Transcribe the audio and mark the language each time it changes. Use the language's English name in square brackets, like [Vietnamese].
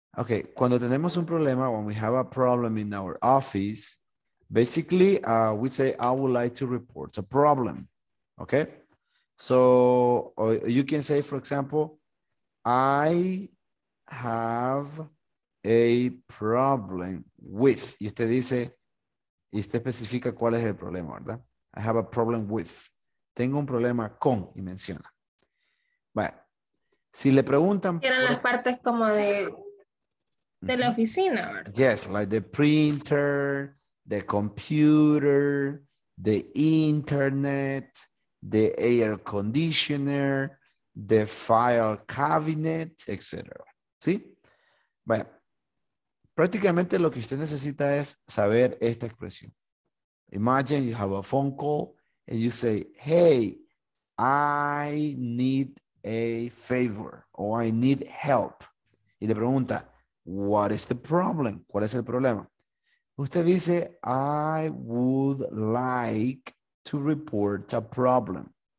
[English] Okay, [Spanish] cuando tenemos un problema, [English] when we have a problem in our office, basically we say, I would like to report a problem. Okay? So you can say, for example, I have a problem with. [Spanish] Y usted dice, y usted especifica cuál es el problema, ¿verdad? [English] I have a problem with. [Spanish] Tengo un problema con, y menciona. Bueno, si le preguntan. Eran las partes como de la oficina, ¿verdad? [English] Yes, like the printer, the computer, the internet, the air conditioner, the file cabinet, etc. [Spanish] ¿Sí? Bueno, prácticamente lo que usted necesita es saber esta expresión. [English] Imagine you have a phone call and you say, hey, I need a favor or I need help. [Spanish] Y le pregunta, [English] what is the problem? [Spanish] ¿Cuál es el problema? Usted dice, [English] I would like to report a problem.